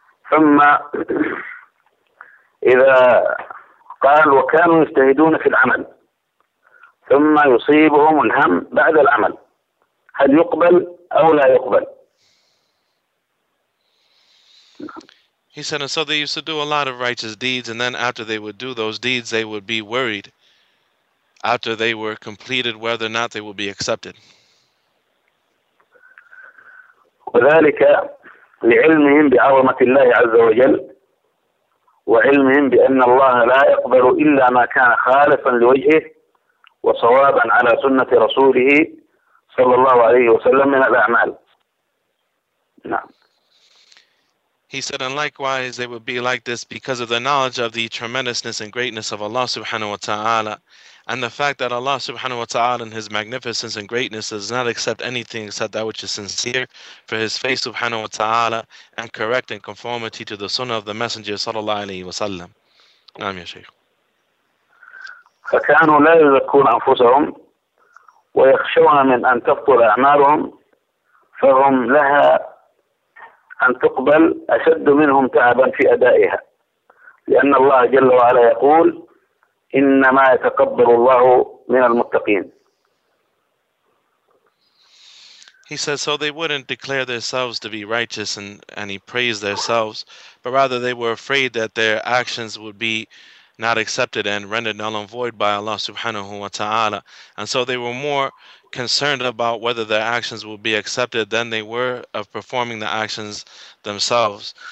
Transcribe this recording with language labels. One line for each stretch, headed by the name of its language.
Arabic: ثم إذا قال وكانوا يجتهدون في العمل ثم يصيبهم الهم بعد العمل هل يقبل أو لا يقبل.
English: He said, and so they used to do a lot of righteous deeds, and then after they would do those deeds, they would be worried after they were completed whether or not they would be accepted. وذلك لعلمهم بعظمة الله عز وجل وعلمهم بأن الله لا يقبل إلا ما كان خالصا لوجهه وصوابا على سنة رسوله صلى الله عليه وسلم من الأعمال. He said, and likewise they would be like this because of the knowledge of the tremendousness and greatness of Allah subhanahu wa ta'ala, and the fact that Allah subhanahu wa ta'ala in His magnificence and greatness does not accept anything except that which is sincere for His face subhanahu wa ta'ala and correct in conformity to the sunnah of the Messenger sallallahu alayhi wa sallam.
Arabic: Naam, ya Shaykh. فَكَانُوا لَا يُزَكُّونَ أَنفُسَهُمْ وَيَخْشَوْنَ مِنْ أَن تَفْطُرَ أَعْمَالُهُمْ فَهُمْ لَهَا أَن تُقْبَلْ أَشَدُّ مِنْهُمْ تَعَبًا فِي أَدَائِهَا لأن الله جل وعلا يقول إنما يتقبل الله من المتقين.
English: He says, so they wouldn't declare themselves to be righteous and he praised themselves, but rather they were afraid that their actions would be not accepted and rendered null and void by Allah subhanahu wa ta'ala. And so they were more concerned about whether their actions would be accepted than they were of performing the actions themselves.